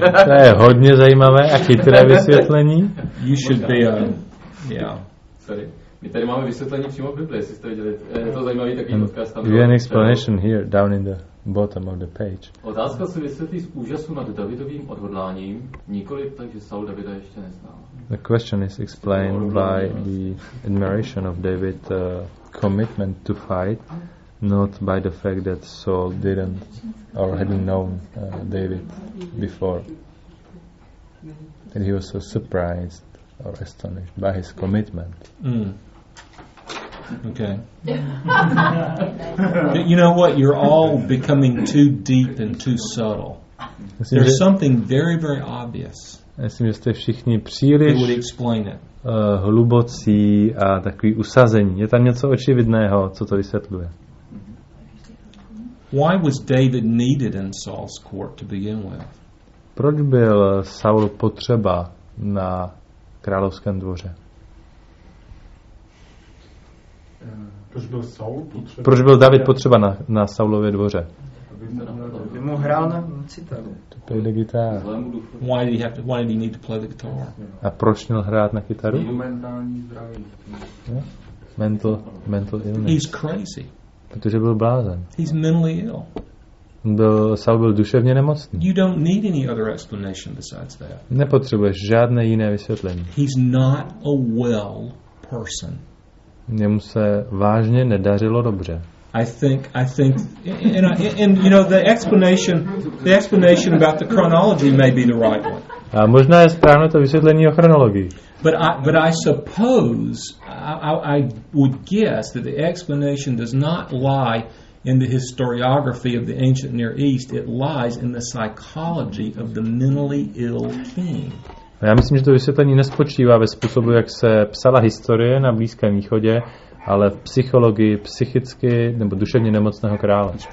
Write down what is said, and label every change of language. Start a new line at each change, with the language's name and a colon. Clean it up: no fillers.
Czech: To je hodně zajímavé a chytré vysvětlení.
English: You should be a
Czech: My tady máme vysvětlení přímo v Bibli, jestli jste viděli. Je to zajímavý takový odkaz tam.
English: We have an explanation here, down in the bottom of the page.
Czech: Otázka se vysvětlí z úžasu nad Davidovým odhodláním, nikoli tak, že Saul Davida ještě neznal.
English: The question is explained by the admiration of David's commitment to fight, not by the fact that Saul didn't or hadn't known David before. And he was so surprised. Or astonished by his commitment. Mm. Okay. You know what? You're all becoming too deep and too subtle. There's something very, very obvious.
Czech: Myslím, že jste všichni příliš
English: would explain it.
Czech: Hlubocí a takový usazení. Je tam něco očividného, co to vysvětluje.
English: Why was David needed in Saul's court to begin with?
Czech: Proč byl Saul potřeba na královském dvoře. Proč byl Saul potřeba? Proč byl David potřeba na Saulově dvoře? Aby mu hrál na citaru. To byl gitar.
English: Why did he need to play the guitar?
Czech: A proč měl hrát na kytaru? Mentální zdraví.
English: Mental illness. He's crazy.
Czech: Protože byl blázen.
English: He's mentally ill.
Czech: Saul byl duševně nemocný.
English: You don't need any other explanation besides that.
Czech: Nepotřebuješ žádné jiné vysvětlení.
English: He's not a well person.
Czech: Jemu se vážně nedařilo dobře.
English: I think and you know the explanation about the chronology may be the right one.
Czech: A možná je správné to vysvětlení o chronologii.
English: But I suppose I would guess that the explanation does not lie in the historiography of the ancient Near East. It lies in the psychology of the mentally ill king.
Czech: Já myslím, že to vysvětlení nespočívá ve způsobu, jak se psala historie na Blízkém východě, ale v psychologii psychicky nebo duševně nemocného krále.